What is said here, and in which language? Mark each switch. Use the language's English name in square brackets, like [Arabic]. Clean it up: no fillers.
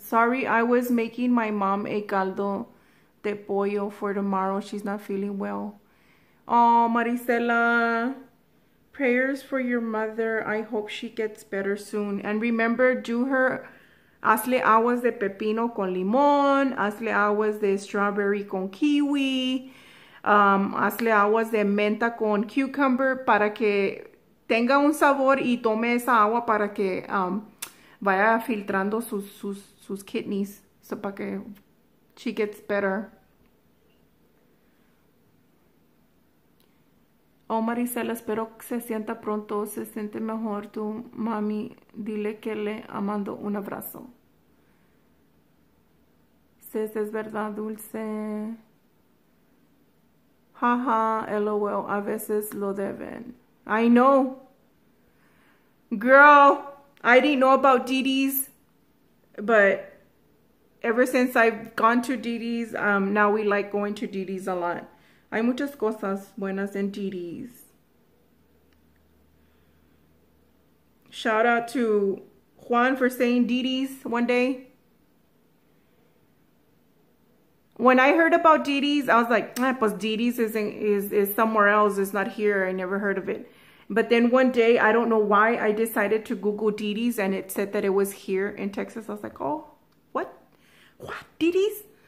[English] Sorry, I was making my mom a caldo de pollo for tomorrow. She's not feeling well. Oh, Marisela. Prayers for your mother. I hope she gets better soon. And remember, [Spanish] hazle aguas de pepino con limón. Hazle aguas de strawberry con kiwi. Hazle aguas de menta con cucumber para que tenga un sabor y tome esa agua para que vaya filtrando sus kidneys. [English] So [Spanish] para que [English] she gets better. [Spanish] Oh, Marisela, espero que se sienta pronto. Se siente mejor tu mami. Dile que le mando un abrazo. Sí, es verdad, dulce. Jaja, LOL. A veces lo deben. [English] I know. Girl, I didn't know about Didi's, but ever since I've gone to Didi's, now we like going to Didi's a lot. [Spanish] Hay muchas cosas buenas en Didi's. [English] Shout out to Juan for saying Didi's one day. When I heard about Didi's, I was like, ah, pues Didi's is somewhere else. It's not here. I never heard of it. But then one day, I don't know why, I decided to Google Didi's and it said that it was here in Texas. I was like, oh, what? Didi's?